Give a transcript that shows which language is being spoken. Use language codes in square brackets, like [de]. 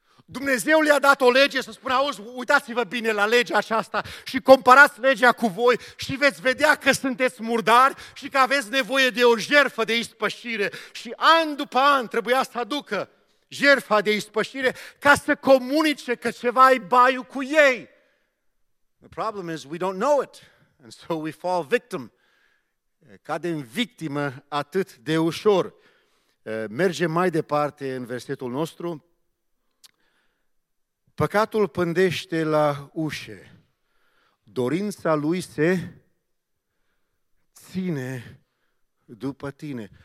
[ro] Dumnezeu le-a dat o lege să spună, auzi, uitați-vă bine la legea aceasta și comparați legea cu voi și veți vedea că sunteți murdari și că aveți nevoie de o jertfă de ispășire. Și an după an trebuia să aducă jertfa de ispășire ca să comunice că ceva e baiul cu ei. [en] The problem is we don't know it and so we fall victim. [ro] Cadem victimă atât de ușor. Mergem mai departe în versetul nostru. Păcatul pândește la ușe, dorința lui se ține după tine.